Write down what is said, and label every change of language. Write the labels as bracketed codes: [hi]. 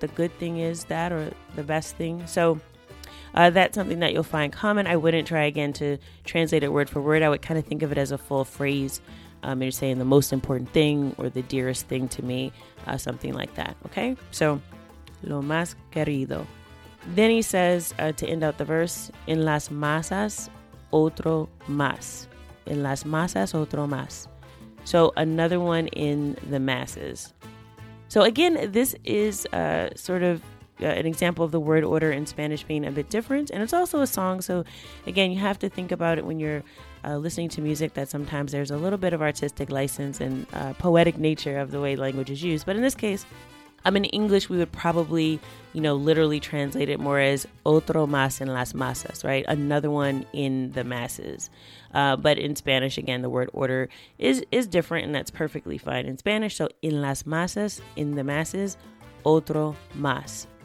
[en] The good thing is that or the best thing. So... that's something that you'll find common. I wouldn't try again to translate it word for word. I would kind of think of it as a full phrase. You're saying the most important thing or the dearest thing to me, something like that. Okay, so [es] lo más querido. [en] Then he says to end out the verse, [es] en las masas otro más. En las masas otro más. [en] So another one in the masses. So again, this is sort of an example of the word order in Spanish being a bit different, and it's also a song. So again, you have to think about it when you're listening to music, that sometimes there's a little bit of artistic license and poetic nature of the way language is used. But in this case, in English, we would probably, you know, literally translate it more as [es] otro más en las masas, [en] right? Another one in the masses. But in Spanish, again, the word order is different, and that's perfectly fine in Spanish. [es] So en las masas, [en] in the masses, [es] otro más.